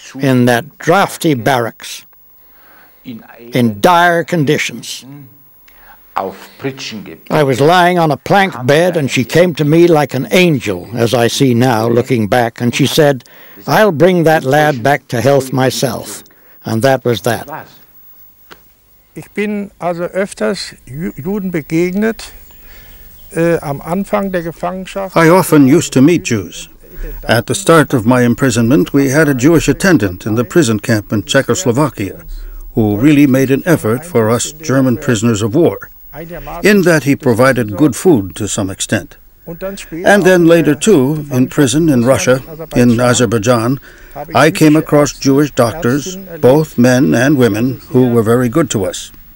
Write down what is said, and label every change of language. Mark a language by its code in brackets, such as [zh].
[en] In that drafty barracks, in dire conditions, I was lying on a plank bed and she came to me like an angel, as I see now looking back, and she said, "I'll bring that lad back to health myself." And that was that. [de] Ich bin also öfters Juden begegnet am Anfang der Gefangenschaft. [en] I often used to meet Jews. At the start of my imprisonment, we had a Jewish attendant in the prison camp in Czechoslovakia who really made an effort for us German prisoners of war, in that he provided good food to some extent. And then later too, in prison in Russia, in Azerbaijan, I came across Jewish doctors, both men and women, who were very good to us.